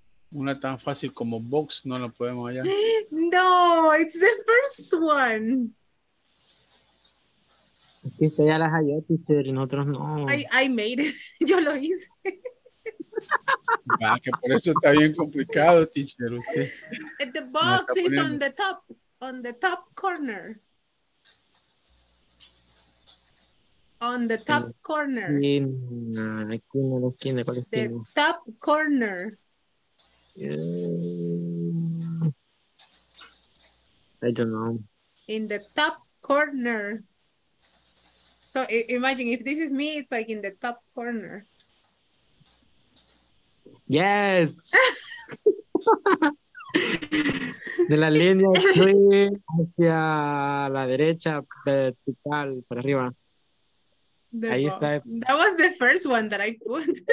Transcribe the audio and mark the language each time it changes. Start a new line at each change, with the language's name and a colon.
Spanish: Una tan fácil como box, no la podemos hallar.
English: No, it's the first one.
Spanish: Es que usted ya las halló, teacher, y nosotros no.
English: I made it,
Spanish: yo lo hice. Va, que por eso está bien complicado, teacher, usted.
English: The box no is on the top corner. On the top corner.
Spanish: ¿Quién? ¿Cuál es
English: el? The top corner. I don't know. In the top corner. So imagine if this is me, it's like in the top corner. Yes.
Spanish: De la línea hacia la derecha, vertical, para arriba. Ahí está.
English: That was the first one that I put.